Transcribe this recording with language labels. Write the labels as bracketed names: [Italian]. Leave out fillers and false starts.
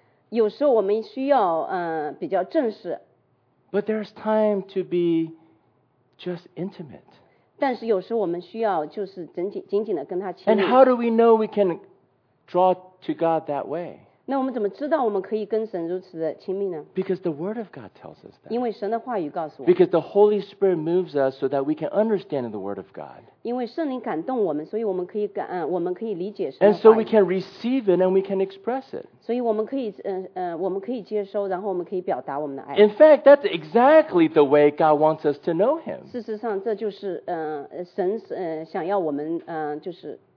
[Chinese] 有时候我们需要比较正式。 [English] But there's time to be just intimate. [Chinese] 但是有时候我们需要就是紧紧的跟他亲密。 [English] And how do we know we can draw to God that way? [Chinese] 那我们怎么知道我们可以跟神如此的亲密呢? [English] Because the Word of God tells us that. [Chinese] 因为神的话语告诉我们。 [English] Because the Holy Spirit moves us so that we can understand the Word of God. [Chinese] 因为圣灵感动我们，所以我们可以理解神的话语。 [English] And so we can receive it and we can express it. [Chinese] 所以我们可以接收，然后我们可以表达我们的爱。 [English] In fact, that's exactly the way God wants us to know Him. [Chinese] 事实上，这就是神想要我们就是。